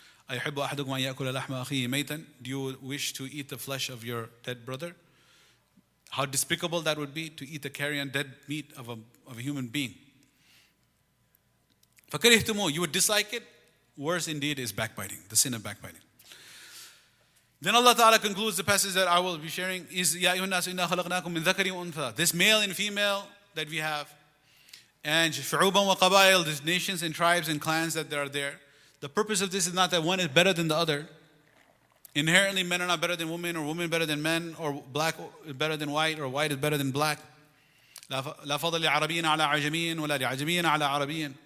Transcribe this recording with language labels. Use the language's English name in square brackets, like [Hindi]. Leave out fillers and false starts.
[Arabic] أَيُحِبُّ أَحَدُكُمْ أَنْ يَأْكُلَ لَحْمَ أَخِيهِ مَيْتًا. [English] Do you wish to eat the flesh of your dead brother? How despicable that would be, to eat the carrion dead meat of a human being. [Arabic] فَكَرِهْتُمُ. [English] You would dislike it? Worse indeed is backbiting, the sin of backbiting. Then Allah Ta'ala concludes the passage that I will be sharing. Is [Arabic] يَا أَيُّهَا النَّاسُ إِنَّا خَلَقْنَاكُمْ مِنْ ذَكَرٍ وَأُنْثَى. [English] This male and female that we have. [Arabic] And شُعُوبًا وَقَبَائِلَ. [English] These nations and tribes and clans that are there. The purpose of this is not that one is better than the other. Inherently, men are not better than women, or women better than men, or black is better than white, or white is better than black. [Arabic] لا فضل لعربيين على عجميين ولا لعجميين على عربيين.